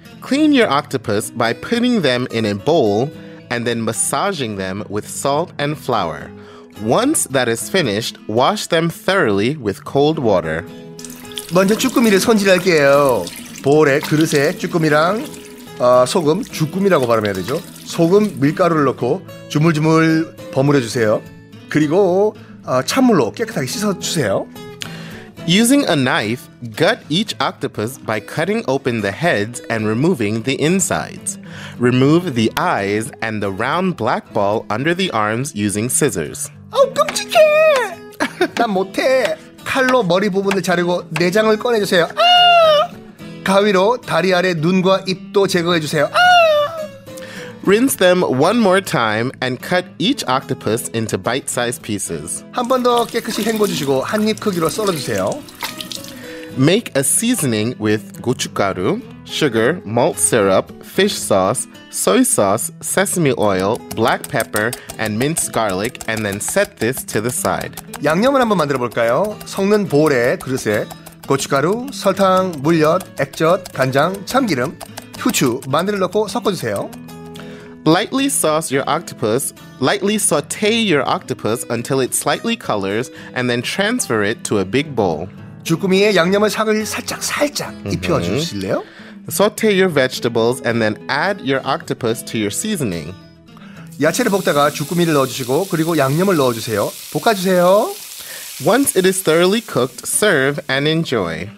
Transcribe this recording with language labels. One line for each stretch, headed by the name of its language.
English: Clean your octopus by putting them in a bowl and then massaging them with salt and flour. Once that is finished, wash them thoroughly with cold water.
Korean: 먼저 쭈꾸미를 손질할게요. 볼에 그릇에 쭈꾸미랑 소금, 쭈꾸미라고 발음해야 되죠. 소금, 밀가루를 넣고 주물주물 버무려 주세요. 그리고 찬물로 깨끗하게 씻어 주세요.
English: Using a knife, gut each octopus by cutting open the heads and removing the insides. Remove the eyes and the round black ball under the arms using scissors.
Korean: Oh, 끔찍해! 난 못해. 칼로 머리 부분을 자르고 내장을 꺼내주세요. 아! 가위로 다리 아래 눈과 입도 제거해주세요. 아!
English: Rinse them one more time and cut each octopus into bite-sized pieces.
Korean: 한 번 더 깨끗이 헹궈주시고 한 입 크기로 썰어주세요.
English: Make a seasoning with gochugaru, sugar, malt syrup, fish sauce, soy sauce, sesame oil, black pepper, and minced garlic, and then set this to the side.
Korean: 양념을 한번 만들어 볼까요? 섞는 볼에 그릇에 고춧가루, 설탕, 물엿, 액젓, 간장, 참기름, 후추, 마늘을 넣고 섞어주세요.
English: Lightly sauce your octopus. Lightly sauté your octopus until it slightly colors, and then transfer it to a big bowl.
Korean: 주꾸미에 양념을 살짝 입혀주실래요?
English: Sauté your vegetables and then add your octopus to your seasoning.
Korean: 야채를 볶다가 주꾸미를 넣어주시고 그리고 양념을 넣어주세요. 볶아주세요.
English: Once it is thoroughly cooked, serve and enjoy.